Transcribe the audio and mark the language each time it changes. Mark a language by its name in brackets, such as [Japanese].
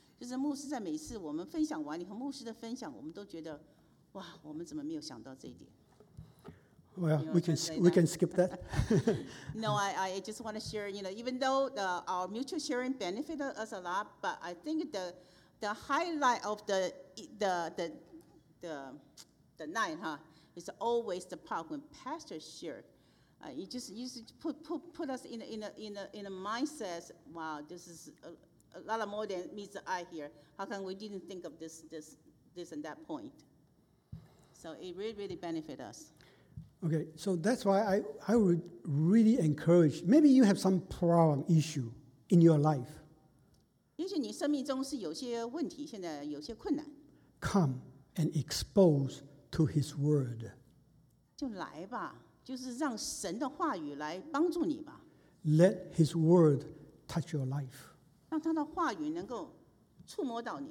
[Chinese] 就是牧师在每次我们分享完，你和牧师的分享，我们都觉得，哇，我们怎么没有想到这一点 [English] ？Well, we can skip that. No, I just want to share. You know, even though our mutual sharing benefited us a lot, but I think the highlight of the night, huh, is always the part when pastor shared. You just put us in a mindset. Wow, this is a lot more than meets the eye here. How come we didn't think of this and that point? So it really, really benefited us. Okay, so that's why I would really encourage, maybe you have some problem issue in your life. [Chinese] 也许你生命中是有些问题，现在有些困难。 [English] Come and expose to His Word. [Chinese] 就来吧，就是让神的话语来帮助你吧。 [English] Let His Word touch your life. [Chinese] 让他的话语能够触摸到你。